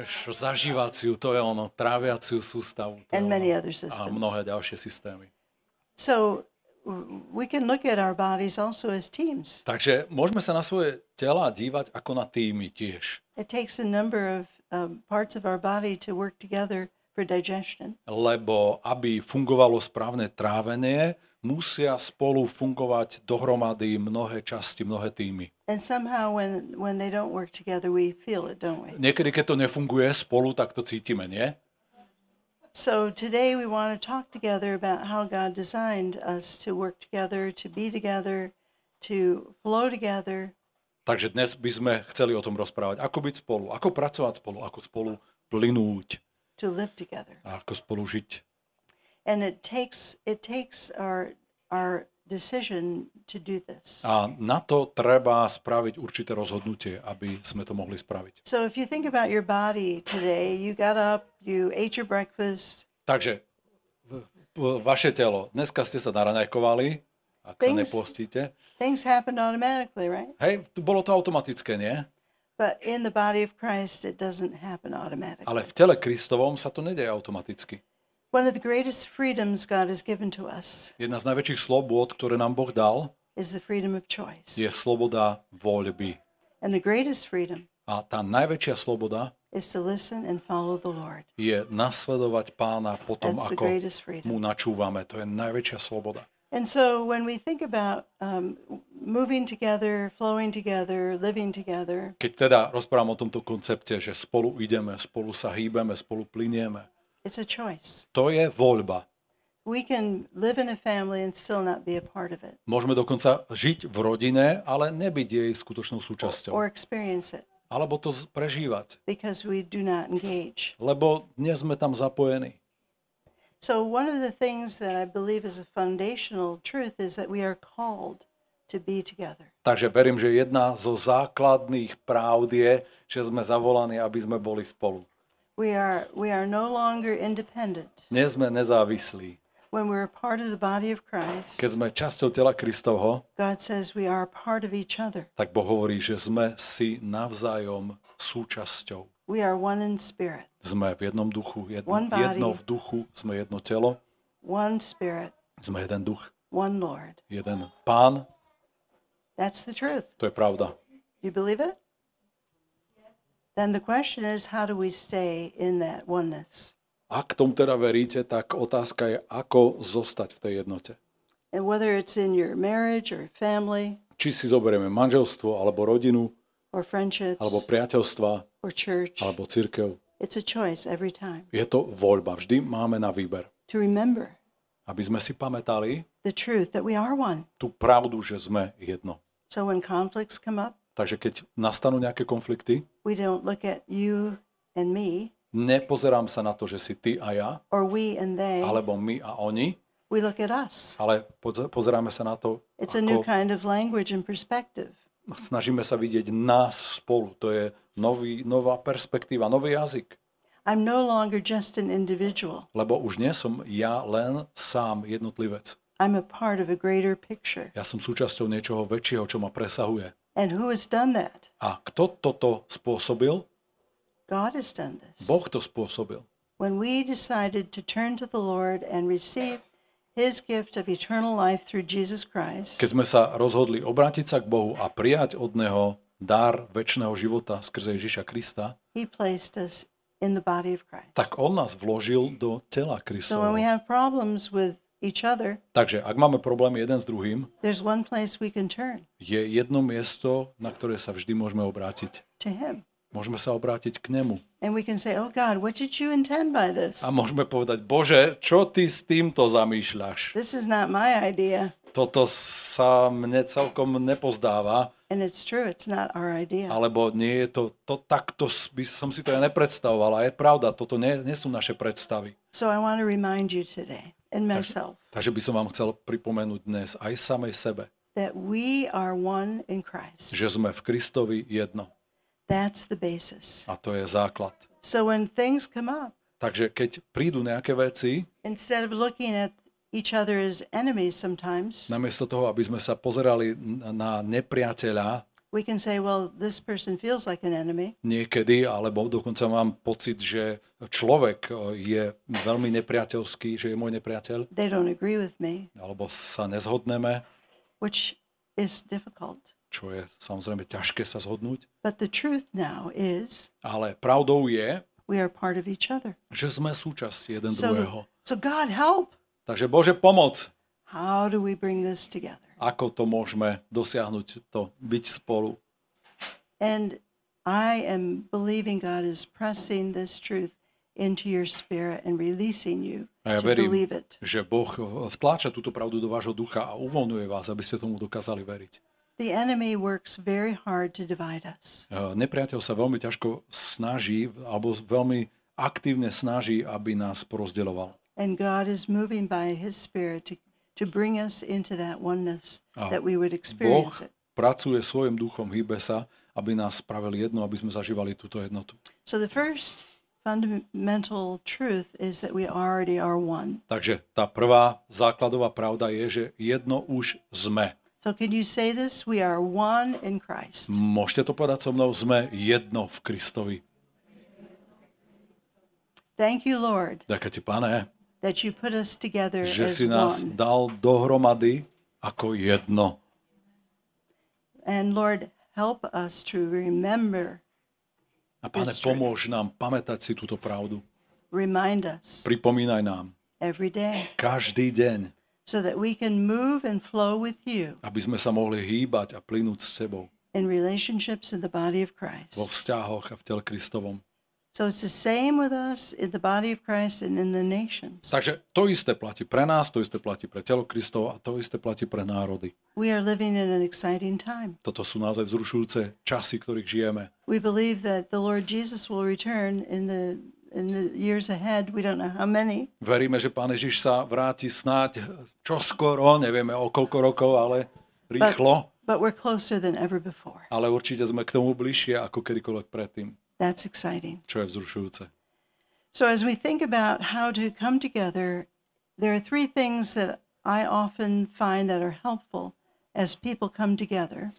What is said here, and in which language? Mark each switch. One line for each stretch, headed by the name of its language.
Slovak: Zažívaciu, to je ono, tráviaciu sústavu.
English: And many other systems.
Slovak: A mnohé ďalšie systémy.
English: So we can look at our bodies also as teams.
Slovak: Takže môžeme sa na svoje tela dívať ako na týmy tiež.
English: It takes a number of parts of our body to work together for digestion.
Slovak: Lebo aby fungovalo správne trávenie, musia spolu fungovať dohromady mnohé časti, mnohé týmy.
English: And somehow when they don't work together, we feel it, don't we?
Slovak: Niekedy keď to nefunguje spolu, tak to cítime, nie?
English: So today we want to talk together about how God designed us to work together, to be together, to flow together.
Slovak: Takže dnes by sme chceli o tom rozprávať, ako byť spolu, ako pracovať spolu, ako spolu plynúť.
English: To live together.
Slovak: A ako spolu žiť.
English: And it takes our decision to do this.
Slovak: A na to treba spraviť určité rozhodnutie, aby sme to mohli spraviť.
English: So if you think about your body today, you got up, you ate your breakfast.
Slovak: Takže vaše telo, dneska ste sa naraňajkovali, ak sa nepostíte.
English: Things happened automatically, right?
Slovak: Hej, bolo to automatické, nie?
English: But in the body of Christ it doesn't happen automatically.
Slovak: Ale v tele Kristovom sa to nedeje automaticky.
English: One of the greatest freedoms God has given to us.
Slovak: Jedna z najväčších slobôd, ktoré nám Boh dal,
English: is the freedom of choice.
Slovak: Je sloboda voľby.
English: And the greatest freedom.
Slovak: A tá najväčšia sloboda
English: is to listen and follow the Lord.
Slovak: Je nasledovať Pána potom, ako mu načúvame. To je najväčšia sloboda.
English: And so when we think about moving together, flowing together, living together.
Slovak: Keď teda rozprávam o tomto koncepte, že spolu ideme, spolu sa hýbeme, spolu plynieme.
English: It's a choice.
Slovak: To je voľba.
English: We can live in a family and still not be a part of it.
Slovak: Môžeme dokonca žiť v rodine, ale nebyť jej skutočnou súčasťou.
English: Or experience it.
Slovak: Alebo to prežívať.
English: Because we do not engage.
Slovak: Lebo nie sme tam zapojení.
English: So one of the things that I believe is a foundational truth is that we are called to be together.
Slovak: Takže verím, že jedna zo základných pravd je, že sme zavolaní, aby sme boli spolu.
English: We are no longer independent.
Slovak: Nie sme nezávislí.
English: When we're part of the body of Christ.
Slovak: Keď sme časťou tela Kristovho.
English: God says we are part of each other.
Slovak: Tak Boh hovorí, že sme si navzájom súčasťou.
English: We are one in spirit.
Slovak: Sme v jednom duchu, jedno v duchu, sme jedno telo.
English: One spirit.
Slovak: Sme jeden duch.
English: One Lord.
Slovak: Jeden Pán.
English: That's the truth.
Slovak: To je pravda.
English: You believe it? Then the question is, how do we stay in that oneness?
Slovak: Ak tomu teda veríte, tak otázka je, ako zostať v tej jednote.
English: And whether it's in your marriage or family.
Slovak: Či si zoberieme manželstvo alebo rodinu.
English: Or friendships.
Slovak: Alebo priateľstva.
English: Or church.
Slovak: Alebo cirkev.
English: It's a choice every time.
Slovak: Je to voľba. Vždy máme na výber.
English: To remember.
Slovak: Aby sme si pamätali.
English: The truth that we are one.
Slovak: Tú pravdu, že sme jedno.
English: So when conflicts come up.
Slovak: Takže keď nastanú nejaké konflikty,
English: we don't look at you and me,
Slovak: nepozerám sa na to, že si ty a ja,
English: or we and they,
Slovak: alebo my a oni,
English: we look at us.
Slovak: Ale pozeráme sa na to,
English: it's a new kind of language and perspective.
Slovak: Snažíme sa vidieť nás spolu. To je nová perspektíva, nový jazyk.
English: I'm no longer just an individual.
Slovak: Lebo už nie som ja len sám jednotlivec.
English: I'm a part of a greater picture.
Slovak: Ja som súčasťou niečoho väčšieho, čo ma presahuje.
English: And who has done that?
Slovak: A kto toto spôsobil?
English: God has done this.
Slovak: Boh to spôsobil.
English: When we decided to turn to the Lord and receive his gift of eternal life through Jesus Christ.
Slovak: Keď sme sa rozhodli obrátiť sa k Bohu a prijať od neho dar večného života skrze Ježiša Krista.
English: He placed us in the body of Christ.
Slovak: Tak on nás vložil do tela Kristovho.
English: So when we have problems with each other.
Slovak: Takže ak máme problémy jeden s druhým,
English: there's one place we can turn.
Slovak: Je jedno miesto, na ktoré sa vždy môžeme obrátiť.
English: To him.
Slovak: Môžeme sa obrátiť k nemu.
English: And we can say, oh God, what did you intend by this?
Slovak: A môžeme povedať, Bože, čo ty s týmto zamýšľaš?
English: This is not my idea.
Slovak: Toto sa mne celkom nepozdáva.
English: And it's true, it's not our idea.
Slovak: Alebo nie je to, to takto by som si to ja nepredstavoval. A je pravda, toto nie sú naše predstavy.
English: So I want to remind you today, and myself.
Slovak: Takže by som vám chcel pripomenúť dnes aj samej sebe.
English: That we are one in Christ.
Slovak: Že sme v Kristovi jedno.
English: That's the basis.
Slovak: A to je základ.
English: So when things come up,
Slovak: takže keď prídu nejaké veci,
English: instead of looking at each other as enemies sometimes,
Slovak: namiesto toho, aby sme sa pozerali na nepriateľa,
English: we can say, well, this person feels like an enemy.
Slovak: Niekedy, alebo dokonca mám pocit, že človek je veľmi nepriateľský, že je môj nepriateľ.
English: They don't agree with me.
Slovak: Alebo sa nezhodneme.
English: Which is difficult.
Slovak: Čo je samozrejme ťažké sa zhodnúť.
English: But the truth now is,
Slovak: ale pravdou je,
English: we are part of each other.
Slovak: Že sme súčasť jeden druhého.
English: So God help.
Slovak: Takže Bože, pomoc.
English: How do we bring this together?
Slovak: Ako to môžeme dosiahnuť, to byť spolu?
English: And I am believing God is pressing this truth into your spirit and releasing you to believe it.
Slovak: Že Boh vtláča túto pravdu do vášho ducha a uvoľňuje vás, aby ste tomu dokázali veriť.
English: The enemy works very hard to divide us.
Slovak: Nepriateľ sa veľmi ťažko snaží alebo veľmi aktívne snaží, aby nás porozdeľoval.
English: And God is moving by his spirit to bring us into that oneness that we would experience it.
Slovak: Boh pracuje svojim duchom, hýbe sa, aby nás spravil jedno, aby sme zažívali túto jednotu.
English: So the first fundamental truth is that we already are one.
Slovak: Takže tá prvá základová pravda je, že jedno už sme.
English: So can you say this? We are one in Christ.
Slovak: Môžete to povedať so mnou? Sme jedno v Kristovi.
English: Thank you, Lord.
Slovak: Ďakujem ti, Pane.
English: That you put us together as one.
Slovak: Že si nás dal dohromady ako jedno.
English: And Lord, help us to remember.
Slovak: A Pane, pomôž nám pamätať si túto pravdu.
English: Remind us.
Slovak: Pripomínaj nám.
English: Every day.
Slovak: Každý deň.
English: So that we can move and flow with you.
Slovak: Aby sme sa mohli hýbať a plynúť s sebou.
English: In relationships in the body of Christ.
Slovak: Vo vzťahoch a v tele Kristovom.
English: So it's the same with us in the body of Christ and in the nations.
Slovak: Takže to isté platí pre nás, to isté platí pre telo Kristovo a to isté platí pre národy.
English: We are living in an exciting time.
Slovak: Toto sú naozaj vzrušujúce časy, ktorých žijeme.
English: We believe that the Lord Jesus will return in the years ahead, we don't know how many.
Slovak: Veríme, že Pán Ježiš sa vráti snáď čoskoro, nevieme o koľko rokov, ale rýchlo.
English: But we're closer than ever before.
Slovak: Ale určite sme k tomu bližšie ako kedykoľvek predtým.
English: That's exciting.
Slovak: Čo je vzrušujúce.
English: So as we think about how to come together, there are three things that I often find that are helpful as people come together.